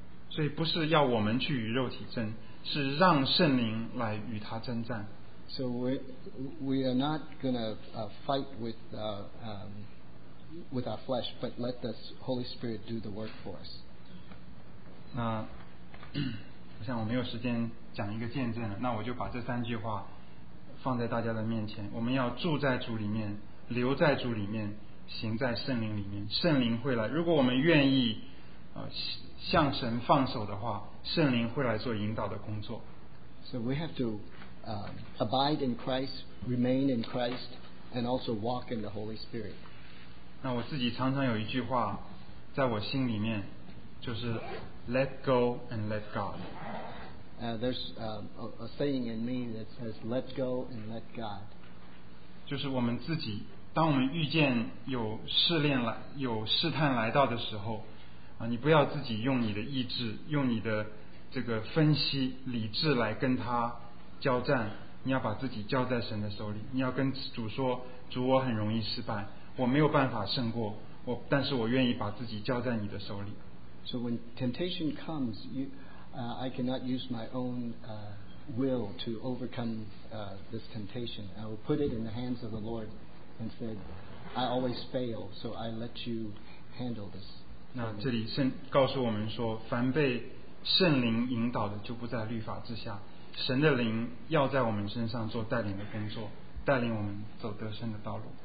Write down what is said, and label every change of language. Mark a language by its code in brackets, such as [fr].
[zh] 所以不是要我们去与肉体争，是让圣灵来与他征战。 [en] So we are not going to fight with our flesh, but let the Holy Spirit do the work for us. [zh] 那我想我没有时间讲一个见证了，那我就把这三句话放在大家的面前。我们要住在主里面，留在主里面，行在圣灵里面，圣灵会来。如果我们愿意向神放手的话，圣灵会来做引导的工作。 [en] So we have to abide in Christ, remain in Christ, and also walk in the Holy Spirit. [zh] 那我自己常常有一句话在我心里面，就是 [en] let go and let God. There's a saying in me that says let go and let God. [zh] 就是我们自己，当我们遇见有试炼来，有试探来到的时候，你不要自己用你的意志，用你的这个分析理智来跟他交战，你要把自己交在神的手里，你要跟主说，主，我很容易失败，我没有办法胜过我，但是我愿意把自己交在你的手里。 [en] So when temptation comes, I cannot use my own will to overcome this temptation. I will put it in the hands of the Lord and said, I always fail, so I let you handle this. [zh] 那这里告诉我们说，凡被圣灵引导的就不在律法之下，神的灵要在我们身上做带领的工作，带领我们走得胜的道路。